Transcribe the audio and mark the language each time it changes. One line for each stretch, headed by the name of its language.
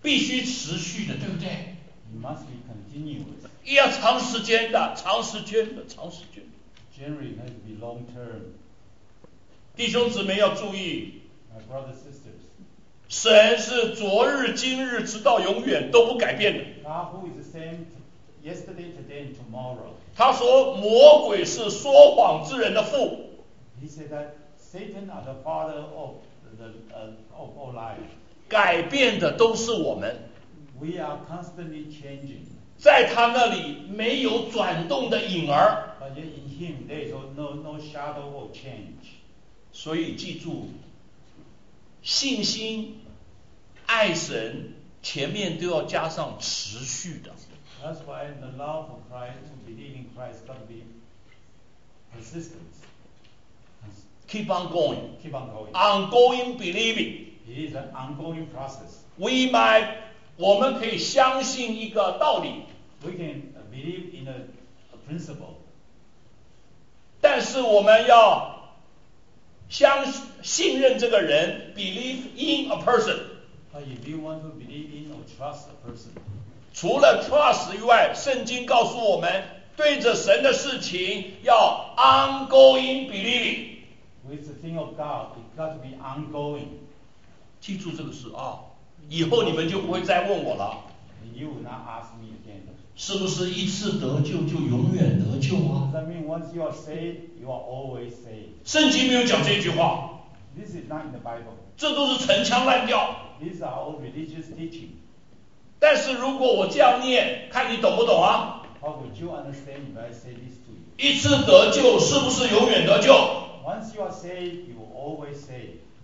Chinese: 必须持续的，对不对？
English: You must be continuous。
Chinese: 要长时间的，长时间的，长时间的。
English: Generally has to be long term。
Chinese: 弟兄姊妹要注意。
English: My brothers and sisters。
Chinese: 神是昨日今日直到永远都不改变的。
English: Yahoo is the same yesterday, today and tomorrow。
Chinese: 他说魔鬼是说谎之人的父。
English: He said that Satan are the father of the of all life。
Chinese: 改变的都是我们。
English: We are constantly changing。
Chinese: 在他那里没有转动的影儿。
English: But yet in him there is no shadow of change。
Chinese: 所以记住，信心、爱神前面都要加上持续的。
English: That's why the love of Christ, to believe in Christ, got to be persistent. Keep on going. Keep on going. Ongoing believing. It is an ongoing process. We might,
Chinese: 我们可以相信一个道理。
English: We can believe in a principle.
Chinese: 但是我们要相信任这个人，
English: believe in a person. But if you want to believe in or trust a person,
Chinese: 除了 trust 以外，圣经告诉我们，对着神的事情要
English: ongoing believing。 With the thing of God, it got to be ongoing。
Chinese: 记住这个事啊，以后你们就不会再问我了。
English: You will not ask me again。
Chinese: 是不是一次得救就永远得救啊
English: ？That means once you are saved, you are always saved。
Chinese: 圣经没有讲这句话。
English: This is not in the Bible。
Chinese: 这都是陈腔滥调。
English: These are all religious teaching。
Chinese: 但是如果我这样念，看你懂不懂啊？
English: How would you understand if I say this to you?
Chinese: 一次得救是不是永远得救？
English: Once you are saved, you will always saved.